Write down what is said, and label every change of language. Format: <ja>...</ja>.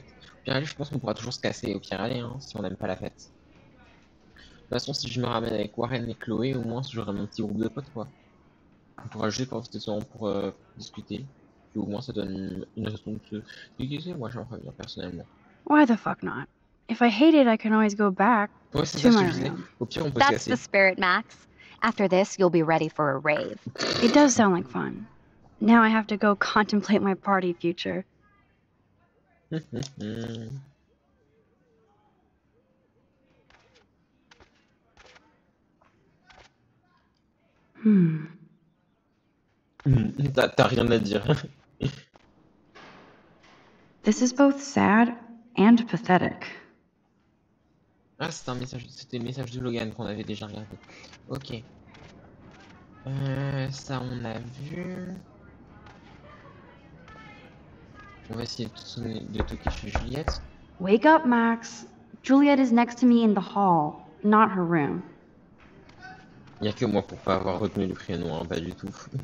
<fr>Au pire aller, je pense qu'on pourra toujours se casser au pire aller, hein, si on n'aime pas la fête. De toute façon, si je me ramène avec Warren et Chloé, au moins j'aurai mon petit groupe de potes, quoi. On pourra juste profiter de ce moment pour discuter. Puis au moins ça donne une raison de se déguiser, moi j'aimerais bien personnellement.</fr> <en>Why the fuck not? If I hate it, I can always go back.</en> <fr>Ouais, c'est ça, je disais. Au pire, on peut</fr> <en>That's</en> <fr>se casser.</fr> <en>That's the spirit, Max. After this, you'll be ready for a rave. It does sound like fun. Now I have to go contemplate my party future.</en> <fr>T'as rien à dire.</fr> <en>This is both sad and pathetic.</en> <fr>Ah, c'est un message, c'était le message de Logan qu'on avait déjà regardé. Ok. Ça, on a vu. On va essayer de toquer chez Juliette.</fr> <en>Wake up, Max. Juliette is next to me in the hall, not her room.</en> <fr>Y'a que moi pour pas avoir retenu le prénom, hein, pas du tout.</fr>